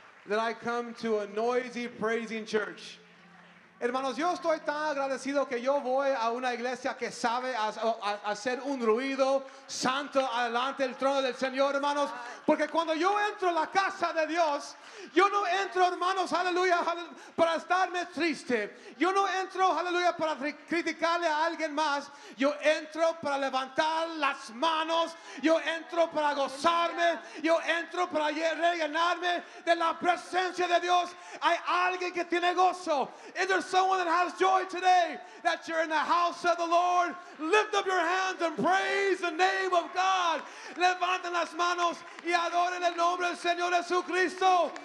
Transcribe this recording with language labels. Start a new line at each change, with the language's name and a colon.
English: that I come to a noisy praising church.
Spanish: Hermanos, yo estoy tan agradecido que yo voy a una iglesia que sabe hacer un ruido santo adelante el trono del Señor, hermanos. Porque cuando yo entro a la casa de Dios, yo no entro, hermanos, aleluya, para estarme triste. Yo no entro, aleluya, para criticarle a alguien más. Yo entro para levantar las manos. Yo entro para gozarme. Yo entro para rellenarme de la presencia de Dios. Hay alguien que tiene gozo.
English: Is there someone that has joy today that you're in the house of the Lord? Lift up your hands and praise the name of God.
Spanish: Levanten las manos y adoren el nombre del Señor Jesucristo.